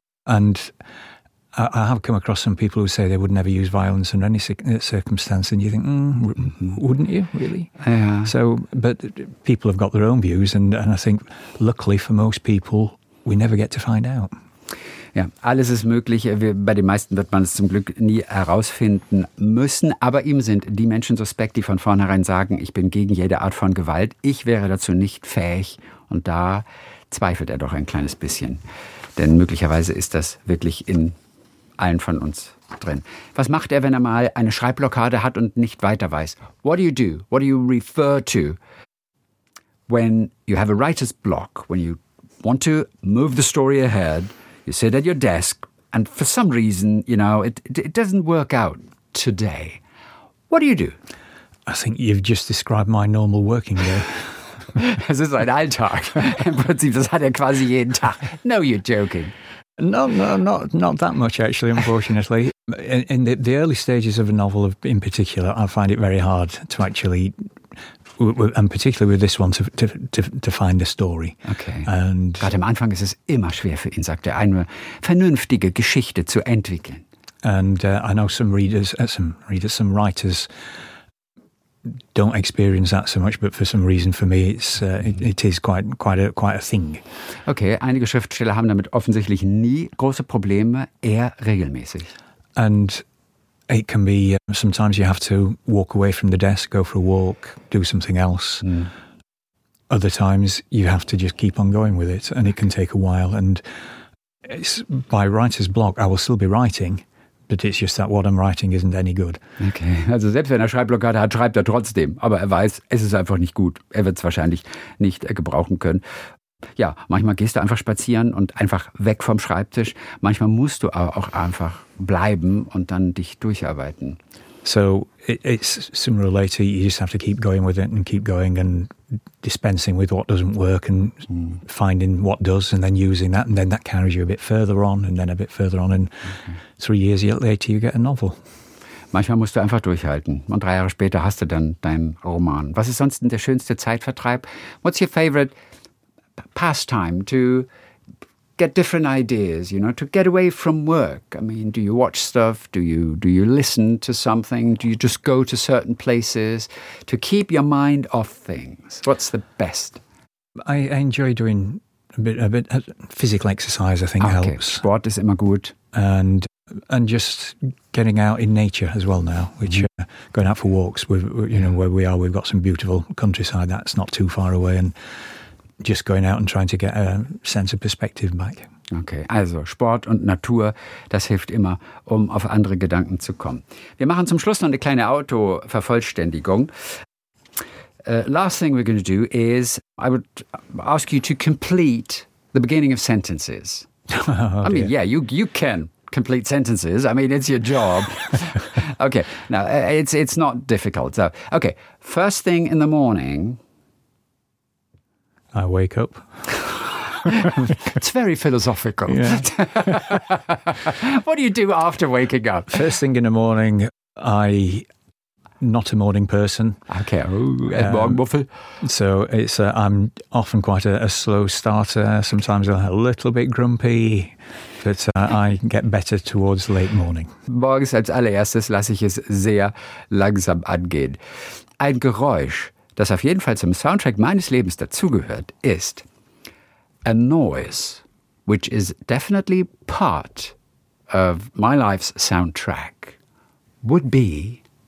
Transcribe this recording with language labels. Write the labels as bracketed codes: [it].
[en] And I have come across some people who say they would never use violence under any circumstance, and you think, wouldn't you, really? Yeah. So, but people have got their own views, and I think, luckily for most people, we never get to find out. [de] Ja, alles ist möglich. Bei den meisten wird man es zum Glück nie herausfinden müssen. Aber ihm sind die Menschen suspekt, die von vornherein sagen, ich bin gegen jede Art von Gewalt. Ich wäre dazu nicht fähig. Und da zweifelt er doch ein kleines bisschen. Denn möglicherweise ist das wirklich in allen von uns drin. Was macht er, wenn er mal eine Schreibblockade hat und nicht weiter weiß? [en] What do you do? What do you refer to? When you have a writer's block, when you want to move the story ahead, you sit at your desk and for some reason, you know, it doesn't work out today. What do you do? I think you've just described my normal working day. [de] Es ist ein Alltag. Im Prinzip, das hat er quasi jeden Tag. [en] No, you're joking. No, not that much, actually, unfortunately. In the early stages of a novel in particular, I find it very hard to actually, and particularly with this one, to find the story. Okay. And [de] gerade am Anfang ist es immer schwer für ihn, sagt er, eine vernünftige Geschichte zu entwickeln. [en] And I know some writers don't experience that so much, but for some reason for me it is quite a thing. [de] Okay, einige Schriftsteller haben damit offensichtlich nie große Probleme, eher regelmäßig. [en] And it can be sometimes you have to walk away from the desk, go for a walk, do something else. Other times you have to just keep on going with it, and it can take a while. And it's by writer's block, I will still be writing. But it's just that what I'm writing isn't any good. [de] Okay, also selbst wenn er Schreibblockade hat, schreibt er trotzdem. Aber er weiß, es ist einfach nicht gut. Er wird es wahrscheinlich nicht gebrauchen können. Ja, manchmal gehst du einfach spazieren und einfach weg vom Schreibtisch. Manchmal musst du aber auch einfach bleiben und dann dich durcharbeiten. [en] So it's sooner or later, you just have to keep going with it and keep going and dispensing with what doesn't work and finding what does and then using that. And then that carries you a bit further on and then a bit further on. And 3 years later, you get a novel. [de] Manchmal musst du einfach durchhalten. Und 3 Jahre später hast du dann deinen Roman. Was ist sonst denn der schönste Zeitvertreib? [en] What's your favorite pastime to get different ideas, you know, to get away from work? I mean, do you watch stuff? Do you listen to something? Do you just go to certain places to keep your mind off things? What's the best? I enjoy doing a bit physical exercise, I think, helps. [de] Sport ist immer gut. [en] And just getting out in nature as well now, which going out for walks, where we are, we've got some beautiful countryside that's not too far away, and just going out and trying to get a sense of perspective back. [de] Okay, also Sport und Natur, das hilft immer, um auf andere Gedanken zu kommen. Wir machen zum Schluss noch eine kleine Autovervollständigung. [en] Last thing we're going to do is, I would ask you to complete the beginning of sentences. Oh, I mean, yeah, you can complete sentences. I mean, it's your job. Okay, now, it's not difficult. So, okay, first thing in the morning, I wake up. It's very philosophical. Yeah. What do you do after waking up? First thing in the morning, I not a morning person. [de] Okay. Morgen Muffel. [en] So it's I'm often quite a slow starter. Sometimes I'm a little bit grumpy, but I get better towards late morning. [de] Morgens als allererstes lasse ich es sehr langsam angehen. Ein Geräusch, das auf jeden Fall zum Soundtrack meines Lebens dazugehört, ist [en] A Noise, which is definitely part of my life's soundtrack, would be...